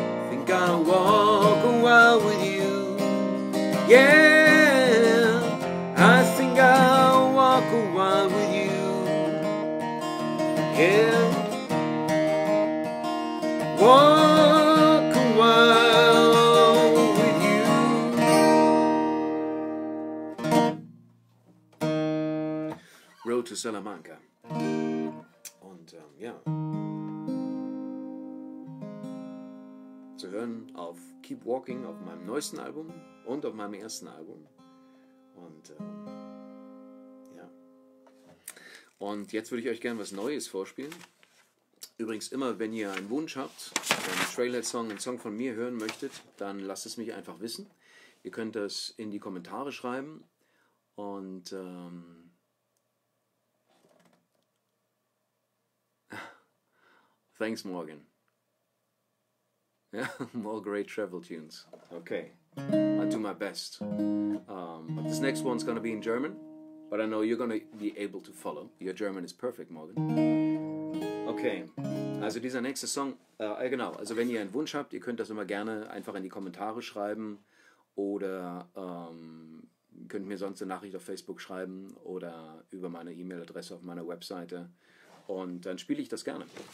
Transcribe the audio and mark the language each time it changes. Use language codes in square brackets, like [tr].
[en] Think I'll walk a while with you. Yeah, I think I'll walk a while with you. Yeah, walk a while with you. Road to Salamanca. [de] Und ja, zu hören auf Keep Walking, auf meinem neuesten Album und auf meinem ersten Album. Und und jetzt würde ich euch gerne was Neues vorspielen. Übrigens, immer wenn ihr einen Wunsch habt, einen Trailhead-Song, einen Song von mir hören möchtet, dann lasst es mich einfach wissen. Ihr könnt das in die Kommentare schreiben. Und [en] thanks, [de] Morgan. [en] More great travel tunes. Okay, I'll do my best. But this next one's gonna be in German. But I know you're gonna be able to follow. Your German is perfect, Morgan. [de] Okay, also dieser nächste Song, genau, also wenn ihr einen Wunsch habt, ihr könnt das immer gerne einfach in die Kommentare schreiben oder könnt mir sonst eine Nachricht auf Facebook schreiben oder über meine E-Mail-Adresse auf meiner Webseite und dann spiele ich das gerne.